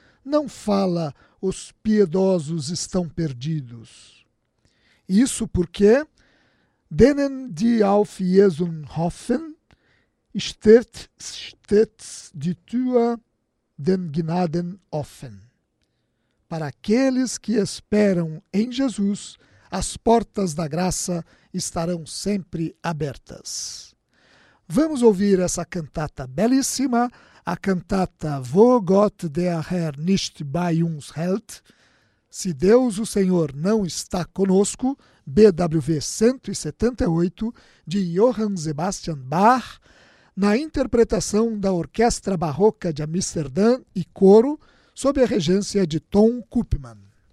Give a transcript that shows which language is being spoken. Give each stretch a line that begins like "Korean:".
Portuguese: Não fala, os piedosos estão perdidos. Isso porque,
German: denen die auf Jesus hoffen, stets die Tür den Gnaden offen.
Portuguese: Para aqueles que esperam em Jesus, as portas da graça estarão sempre abertas. Vamos ouvir essa cantata belíssima, a cantata Wo Gott der Herr nicht bei uns hält, Se Deus o Senhor não está conosco, BWV 178, de Johann Sebastian Bach, na interpretação da Orquestra Barroca de Amsterdã e coro, sob a regência de Tom Koopman.